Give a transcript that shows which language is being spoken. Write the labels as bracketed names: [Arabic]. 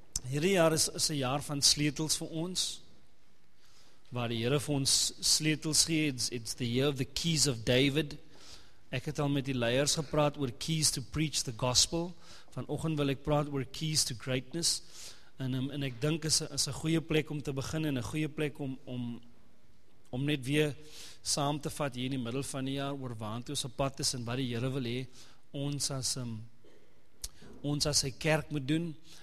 [Afrikaans] Hierdie jaar is 'n jaar van sleutels vir ons, waar die Here vir ons sleutels gee. [English] It's the year of the keys of David. [Afrikaans] Ek het al met die leiers gepraat oor [English] keys to preach the gospel. [Afrikaans] Vanoggend wil ek praat oor [English] keys to greatness. [Afrikaans] En ek dink is 'n goeie plek om te begin en 'n goeie plek om net weer saam te vat hier in die middel van die jaar oor waantoe ons op pad is en wat die Here wil hê ons as sy kerk moet doen.